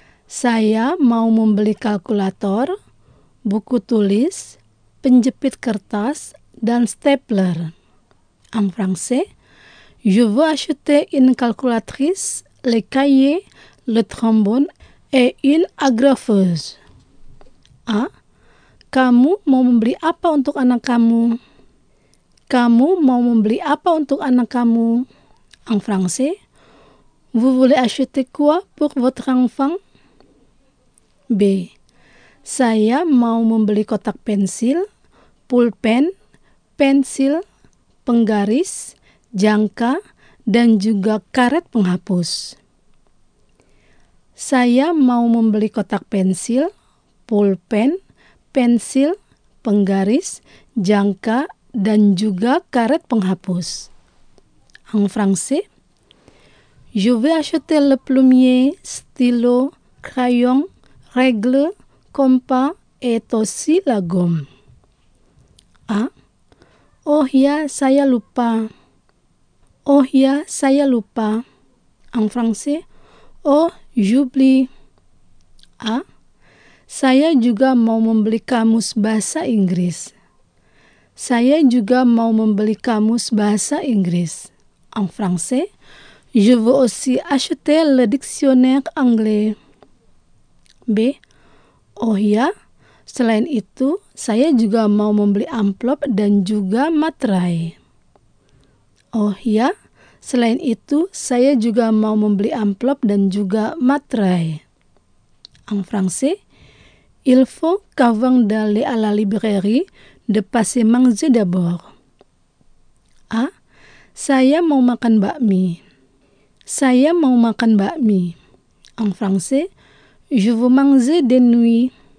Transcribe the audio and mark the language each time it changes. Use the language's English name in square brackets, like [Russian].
[Indonesian] Saya mau membeli kalkulator, buku tulis, penjepit kertas, dan stapler. [French] En français, je veux acheter une calculatrice, les cahiers, le trombone, et une agrafeuse. A. [Indonesian] Kamu mau membeli apa untuk anak kamu? Kamu mau membeli apa untuk anak kamu? [French] En français, vous voulez acheter quoi pour votre enfant? [Indonesian] B. Saya mau membeli kotak pensil, pulpen, pensil, penggaris, jangka, dan juga karet penghapus. Saya mau membeli kotak pensil, pulpen, pensil, penggaris, jangka, dan juga karet penghapus. [French] En français, je vais acheter le plumier, stylo, crayon, règle, compas et aussi la gomme. [Indonesian] A. Oh ya, saya lupa. Oh ya, saya lupa. [French] En français, oh, j'oublie. A. [Indonesian] Saya juga mau membeli kamus bahasa Inggris. Saya juga mau membeli kamus bahasa Inggris. [French] En français, je veux aussi acheter le dictionnaire anglais. B. [Indonesian] Oh ya, selain itu, saya juga mau membeli amplop dan juga materai. Oh ya, selain itu, saya juga mau membeli amplop dan juga materai. [French] En français, il faut qu'avant d'aller à la librairie, de passer manger d'abord. A. [Indonesian] Saya mau makan bakmi. Saya mau makan bakmi. [French] En français, je veux manger des nouilles.